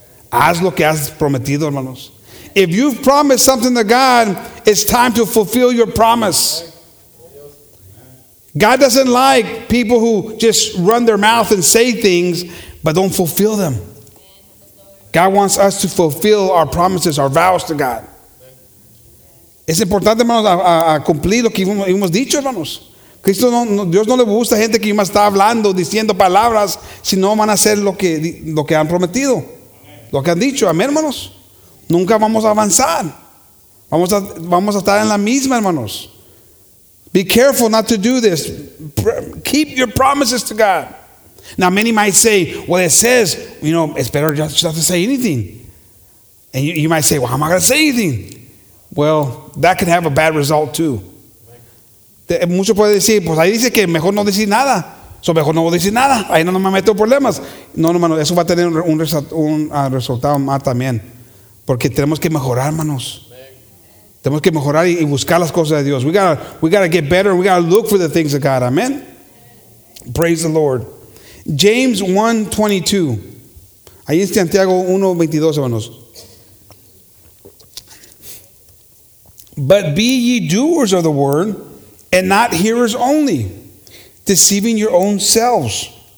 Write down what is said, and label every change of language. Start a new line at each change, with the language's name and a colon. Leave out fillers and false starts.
Spanish: Haz lo que has prometido, hermanos.
English: If you've promised something to God, it's time to fulfill your promise. God doesn't like people who just run their mouth and say things but don't fulfill them. God wants us to fulfill our promises, our vows to God.
Spanish: Es importante, hermanos, a cumplir lo que hemos dicho, hermanos. Cristo no, no, Dios no le gusta gente que está hablando, diciendo palabras, si no van a hacer lo que han prometido, lo que han dicho. Amén, hermanos. Nunca vamos a avanzar. Vamos a estar en la misma, hermanos.
English: Be careful not to do this. Keep your promises to God. Now, many might say, well, it says, you know, it's better just not to say anything. And you might say, well, how am I going to say anything? Well, that can have a bad result too.
Spanish: Mucho puede decir, pues ahí dice que mejor no decir nada. So mejor no decir nada. Ahí no me meto problemas. No, hermano, eso va a tener un resultado más también. Porque tenemos que mejorar, hermanos. Amen. Tenemos que mejorar y buscar las cosas de Dios.
English: We gotta get better. We gotta look for the things of God. Amen. Praise the Lord. James 1:22.
Spanish: Ahí en Santiago 1:22, hermanos.
English: But be ye doers of the word, and not hearers only, deceiving your own selves.